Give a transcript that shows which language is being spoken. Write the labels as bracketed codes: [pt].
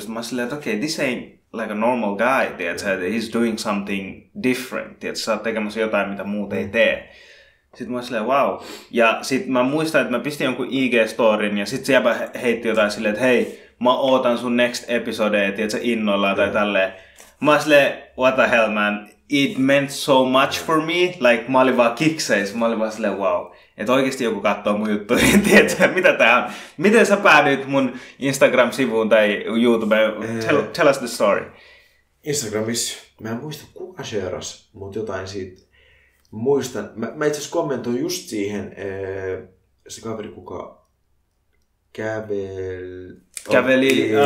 [fi] Sitten mä oon silleen, että okei, [en] this ain't like a normal guy, [fi] tiedätkö, [en] that he's doing something different. [fi] Tiedätkö, sä oot tekemässä jotain, mitä muut ei tee. Sitten mä oon silleen, wow. Ja sitten mä muistan, että mä pistin jonkun IG-storin ja sitten siellä heitti jotain silleen, että hei, mä ootan sun next episodeja, tiedätkö, innoillaan tai tälleen. Mä oon silleen, [en] what the hell man, it meant so much for me. [fi] Like, mä olin vaan kikseis. Mä olin vaan silleen, wow. Että oikeesti joku kattoo mun juttuja, tiedätkö, mitä tää on. Miten sä päädyit mun Instagram-sivuun tai YouTubeen? [en] Tell us the story. [fi] Instagramissa. Mä en muista, kuka sheeras, mut jotain siitä muistan. Mä itse asiassa kommentoin just siihen, se kaveri, kuka käveli